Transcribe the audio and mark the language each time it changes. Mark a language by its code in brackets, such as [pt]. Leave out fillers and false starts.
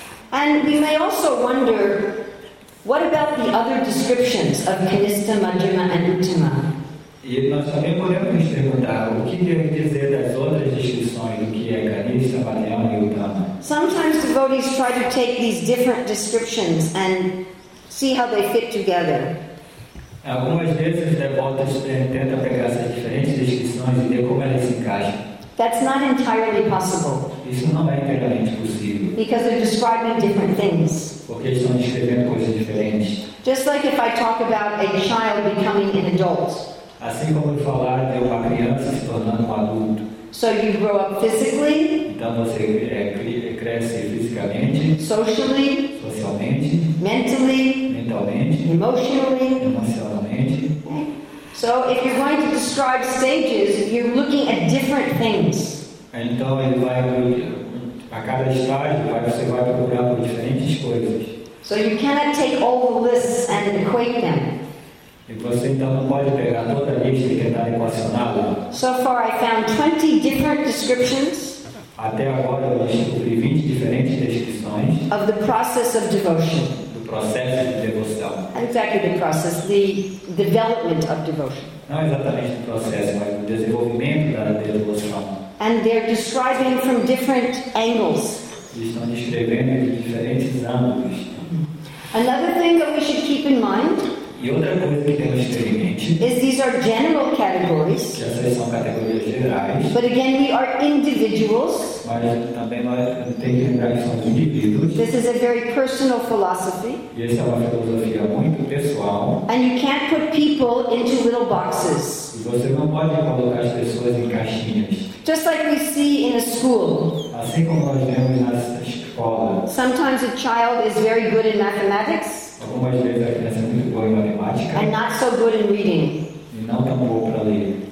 [en] And we may also wonder, what about the other descriptions of Kanista, Madhyama, and Uttama? [pt] E nós também podemos nos perguntar o que quer dizer das outras descrições do que é Kanista, Madhyama e Uttama. [en] Sometimes devotees try to take these different descriptions and see how they fit together. [pt] Algumas vezes devotos tentam pegar essas diferentes descrições e ver como elas se encaixam. [en] That's not entirely possible. [pt] Isso não é inteiramente possível. [en] Because they're describing different things. [pt] Porque eles estão descrevendo coisas diferentes. [en] Just like if I talk about a child becoming an adult. [pt] Assim como eu falar de uma criança se tornando um adulto. [en] So you grow up physically. [pt] Então você cresce fisicamente. [en] Socially. [pt] Socialmente. [en] Mentally. [pt] Mentalmente. [en] Emotionally. [pt] Emocionalmente. [en] So if you're going to describe stages, you're looking at different things. [pt] Então ele vai a cada estágio, você vai procurar por diferentes coisas. [en] So you cannot take all the lists and equate them. [pt] E você então não pode pegar toda a lista e tentar equacioná-la. [en] So far I found 20 different descriptions. [pt] Até agora eu descobri 20 diferentes descrições. [en] Of the process of devotion. [pt] Do processo de devoção. [en] Exactly the process, the development of devotion. [pt] Não exatamente o processo, mas o desenvolvimento da devoção. [en] And they're describing from different angles. [pt] E estão descrevendo de diferentes ângulos. [en] Another thing that we should keep in mind. [pt] E outra coisa que temos que ter em mente, [en] is these are general categories. [pt] Que essas são categorias gerais. [en] But again, we are individuals. [pt] Mas também nós temos que lembrar que somos indivíduos. [en] This is a very personal philosophy. [pt] E essa é uma filosofia muito pessoal. [en] And you can't put people into little boxes. [pt] E você não pode colocar as pessoas em caixinhas. [en] Just like we see in a school. [pt] Assim como nós vemos na escola. [en] Sometimes a child is very good in mathematics. [pt] Algumas vezes a criança é muito boa em matemática. [en] And not so good in reading. [pt] E não tão boa para ler.